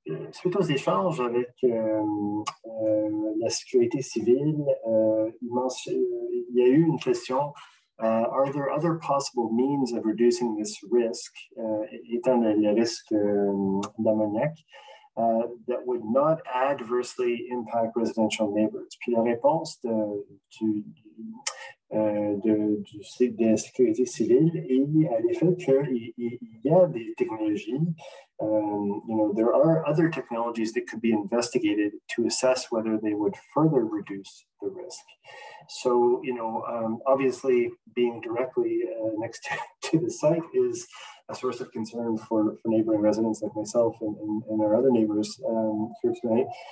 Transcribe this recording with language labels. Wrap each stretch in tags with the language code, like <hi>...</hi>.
<fr>Suite aux échanges avec la sécurité civile, il y a eu une question.</fr> <en>Are there other possible means of reducing this risk,</en> <fr>étant le risque d'ammoniaque,</fr> <en>that would not adversely impact residential neighbors?</en> <fr>Puis la réponse de la sécurité civile est à l'effet qu'il y a des technologies.</fr> <en>There are other technologies that could be investigated to assess whether they would further reduce the risk. So, obviously being directly next to the site is a source of concern for neighboring residents like myself and our other neighbors here tonight.</en>